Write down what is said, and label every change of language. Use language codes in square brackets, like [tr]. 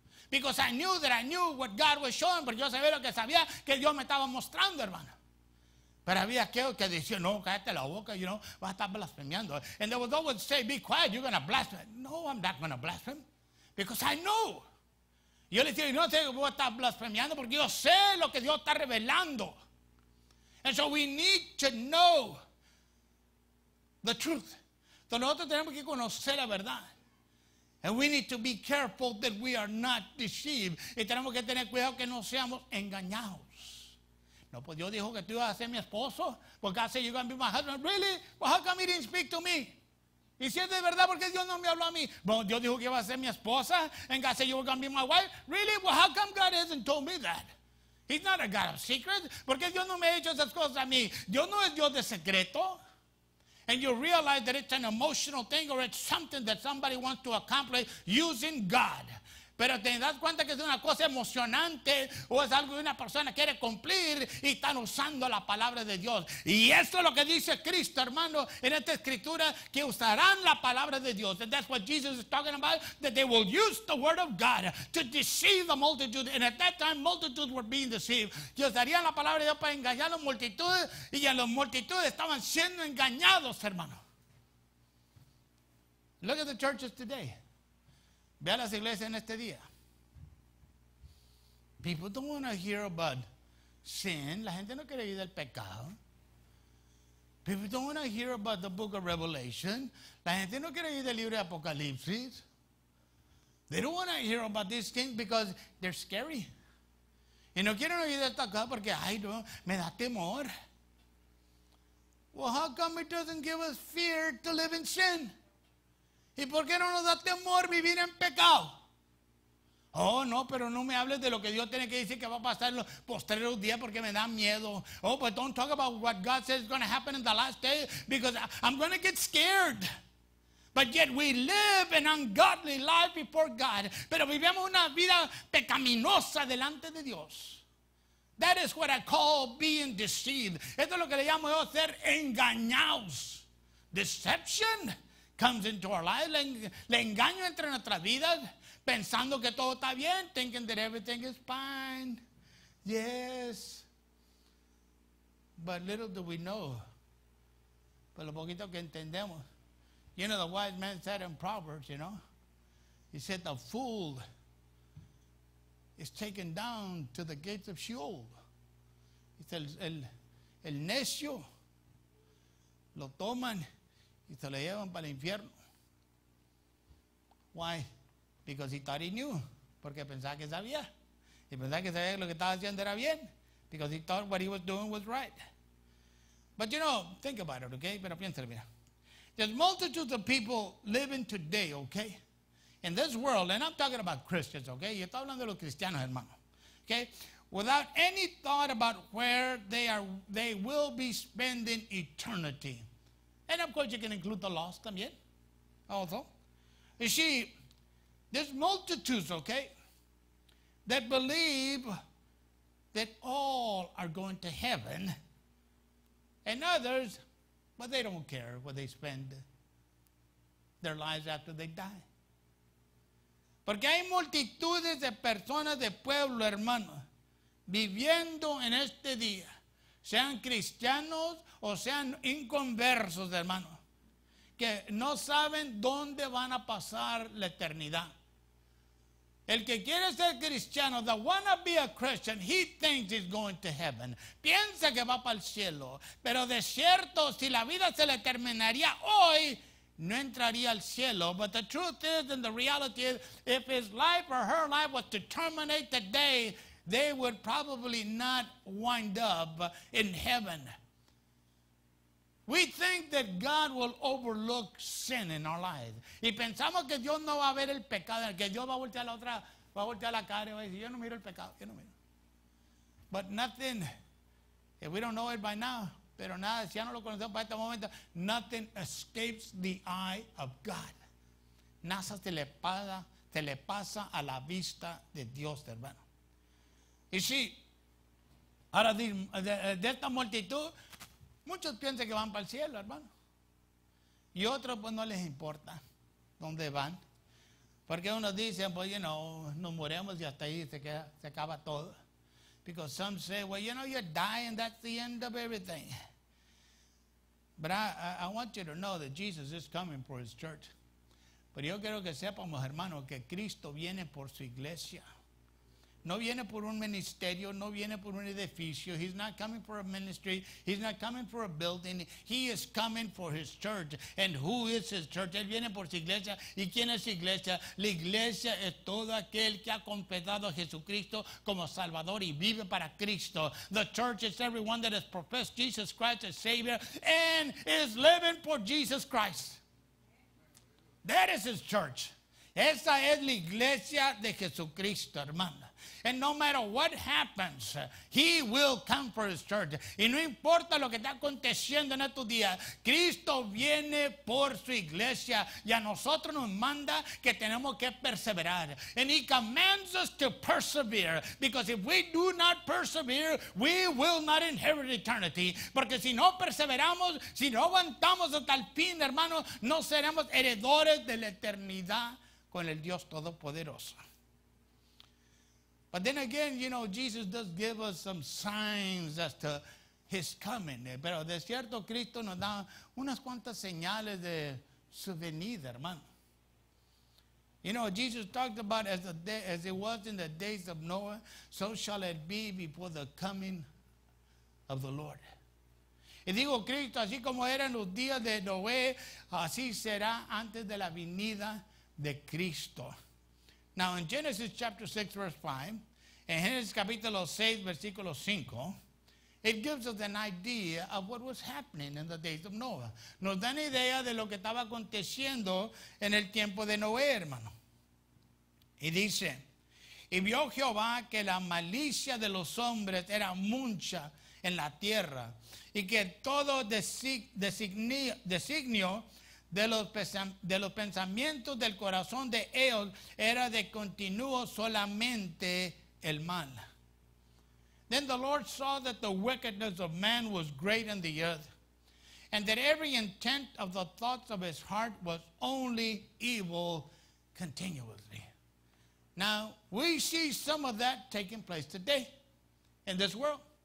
[en] Because I knew that I knew what God was showing, [es] pero yo sabía lo que sabía que Dios me estaba mostrando, hermano. Pero había aquel que decía, no, cállate la boca, you know, vas a estar blasfemiando. [en] And there was always say, be quiet, you're going to blaspheme. No, I'm not going to blaspheme, because I know. [es] Yo le decía, no sé que voy a estar blasfemiando, porque yo sé lo que Dios está revelando. [en] And so we need to know the truth. [es] Entonces nosotros tenemos que conocer la verdad. [en] And we need to be careful that we are not deceived. [es] Y tenemos que tener cuidado que no seamos engañados. No, pues Dios dijo que tú ibas a ser mi esposo. [en] Porque God said you're going to be my husband. Really? Well, how come he didn't speak to me? [es] Y si es de verdad, ¿por qué Dios no me habló a mí? Bueno, Dios dijo que iba a ser mi esposa. [en] And God said you were going to be my wife. Really? Well, how come God hasn't told me that? He's not a God of secrets. [es] ¿Por qué Dios no me ha dicho esas cosas a mí? Dios no es Dios de secreto. [en] And you realize that it's an emotional thing or it's something that somebody wants to accomplish using God. [es] Pero te das cuenta que es una cosa emocionante o es algo que una persona quiere cumplir y están usando la palabra de Dios. Y eso es lo que dice Cristo, hermano, en esta escritura, que usarán la palabra de Dios. [en] And that's what Jesus is talking about, that they will use the word of God to deceive the multitude. And at that time, multitudes were being deceived. [es] Y usarían la palabra de Dios para engañar a las multitudes y a las multitudes estaban siendo engañados, hermano. [en] Look at the churches today. [es] Ve a las iglesias en este día. [en] People don't want to hear about sin. [es] La gente no quiere oír del pecado. [en] People don't want to hear about the book of Revelation. [es] La gente no quiere oír del libro de Apocalipsis. [en] They don't want to hear about these things because they're scary. [es] Y no quieren oír de esta cosa porque, ay, no, me da temor. [en] Well, how come it doesn't give us fear to live in sin? [es] ¿Y por qué no nos da temor vivir en pecado? Oh, no, pero no me hables de lo que Dios tiene que decir que va a pasar en los postreros días porque me da miedo. [en] Oh, but don't talk about what God says is going to happen in the last day because I'm going to get scared. But yet we live an ungodly life before God. [es] Pero vivimos una vida pecaminosa delante de Dios. [en] That is what I call being deceived. [es] Esto es lo que le llamo yo ser engañados. [en] Deception comes into our lives, [es] le engaño entre nuestras vidas, pensando que todo está bien, [en] thinking that everything is fine. Yes. But little do we know. [es] Pero lo poquito que entendemos. [en] You know, the wise man said in Proverbs, you know, he said the fool is taken down to the gates of Sheol. [es] He said, el necio lo toman y se lo llevan para el infierno. [en] Why? Because he thought he knew. [es] Porque pensaba que sabía. Y pensaba que sabía que lo que estaba haciendo era bien. [en] Because he thought what he was doing was right. But you know, think about it, okay? [es] Pero piénsalo, mira. [en] There's multitudes of people living today, okay? In this world, and I'm talking about Christians, okay? [es] Yo estoy hablando de los cristianos, hermano. [en] Okay? without any thought about where they will be spending eternity. And of course, you can include the lost también. Also, you see, there's multitudes, okay, that believe that all are going to heaven, and others, but they don't care where they spend their lives after they die. [es] Porque hay multitudes de personas de pueblo, hermano, viviendo en este día, sean cristianos o sean inconversos, hermano, que no saben dónde van a pasar la eternidad. El que quiere ser cristiano, [en] the wanna be a Christian, he thinks he's going to heaven. [es] Piensa que va para el cielo, pero de cierto, si la vida se le terminaría hoy, no entraría al cielo. [en] But the truth is, and the reality is, if his life or her life was to terminate today, they would probably not wind up in heaven. We think that God will overlook sin in our lives. [es] Y pensamos que Dios no va a ver el pecado, que Dios va a voltear la otra, va a voltear la cara y va a decir, yo no miro el pecado, yo no miro. [en] But nothing, if we don't know it by now, [es] pero nada, si ya no lo conocemos para este momento, [en] nothing escapes the eye of God. [es] Nada se le pasa a la vista de Dios, hermano. Y sí, ahora de esta multitud, muchos piensan que van para el cielo, hermano. Y otros, pues, no les importa dónde van. Porque unos dicen, pues, you know, nos moremos y hasta ahí se acaba todo. [en] Because some say, well, you know, you're dying, that's the end of everything. But I want you to know that Jesus is coming for his church. [es] Pero yo quiero que sepamos, hermano, que Cristo viene por su iglesia. No viene por un ministerio, no viene por un edificio. [en] He's not coming for a ministry. He's not coming for a building. He is coming for his church. And who is his church? [es] Él viene por su iglesia. ¿Y quién es su iglesia? La iglesia es todo aquel que ha confesado a Jesucristo como Salvador y vive para Cristo. [en] The church is everyone that has professed Jesus Christ as Savior and is living for Jesus Christ. That is his church. [es] Esa es la iglesia de Jesucristo, hermano. [en] And no matter what happens, he will come for his church. [es] Y no importa lo que está aconteciendo en estos días, Cristo viene por su iglesia. Y a nosotros nos manda que tenemos que perseverar. [en] And he commands us to persevere. Because if we do not persevere, we will not inherit eternity. [es] Porque si no perseveramos, si no aguantamos hasta el fin, hermano, no seremos heredores de la eternidad con el Dios Todopoderoso. [en] But then again, you know, Jesus does give us some signs as to his coming. [es] Pero de cierto, Cristo nos da unas cuantas señales de su venida, hermano. [en] You know, Jesus talked about as it was in the days of Noah, so shall it be before the coming of the Lord. [es] Y digo, Cristo, así como eran los días de Noé, así será antes de la venida de Cristo. [en] Now in Genesis chapter 6 verse 5, in [es] Genesis capítulo 6 versículo 5, [en] it gives us an idea of what was happening in the days of Noah. [es] Nos da una idea de lo que estaba aconteciendo en el tiempo de Noé, hermano. Y dice, y vio Jehová que la malicia de los hombres era mucha en la tierra, y que todo designio de los pensamientos del corazón de ellos era de continuo solamente el mal. [en] Then the Lord saw that the wickedness of man was great in the earth, and that every intent of the thoughts of his heart was only evil continuously. Now we see some of that taking place today in this world.